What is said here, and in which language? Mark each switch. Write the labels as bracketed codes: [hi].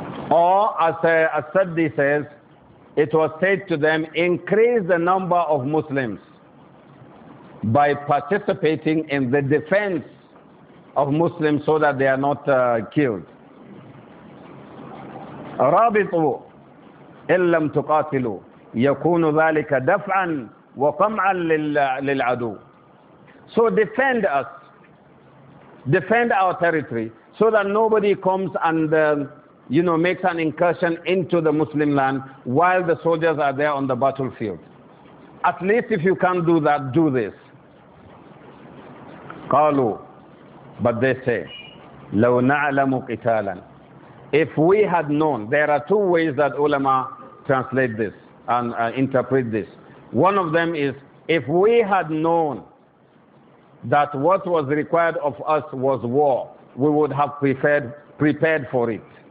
[en] Or as Saddi says, it was said to them, increase the number of Muslims by participating in the defense of Muslims so that they are not killed. [ar] رابطوا إن لم تقاتلوا يكون ذلك دفعا وقمعا للعدو. [en] So defend us, defend our territory so that nobody comes and you know, makes an incursion into the Muslim land while the soldiers are there on the battlefield. At least if you can't do that, do this. [ar] قالوا, [en] but they say, [ar] لو نعلم قتالا. [en] If we had known, there are two ways that ulama translate this and interpret this. One of them is, if we had known that what was required of us was war, we would have prepared for it.